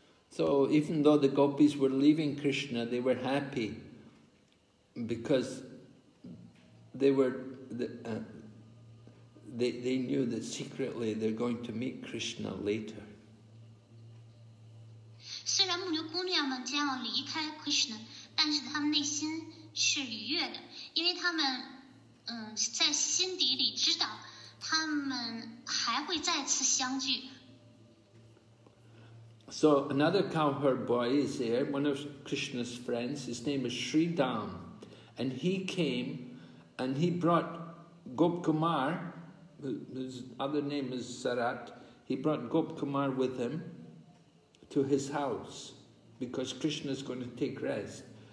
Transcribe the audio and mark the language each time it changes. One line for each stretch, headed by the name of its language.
English: So even though the gopis were leaving Krishna, they were happy because they knew that secretly they're going to meet Krishna later.
Chinese: 虽然牧牛姑娘们将要离开 Krishna, 但是他们内心是愉悦的，因为他们，在心底里知道他们还会再次相聚。
English: So another cowherd boy is there, one of Krishna's friends. His name is Sridham, and he came. And he brought Gop Kumar, his other name is Sarat, he brought Gop Kumar with him to his house because Krishna is going to take rest.